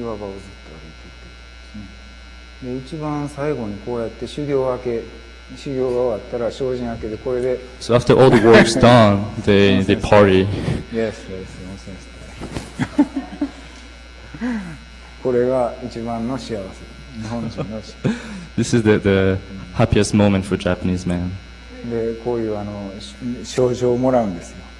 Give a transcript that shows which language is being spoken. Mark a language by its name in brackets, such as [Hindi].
[Japanese] 岩場をずっと歩いていて、で、一番最後にこうやって修行が終わったら精進明けでこれで。 [English] So after all the work's done, they party. Yes, yes, nonsense. [Japanese] これが一番の幸せ、日本人の幸せ。 [English] This is the happiest moment for Japanese men. [Japanese] で、こういう賞状をもらうんですよ。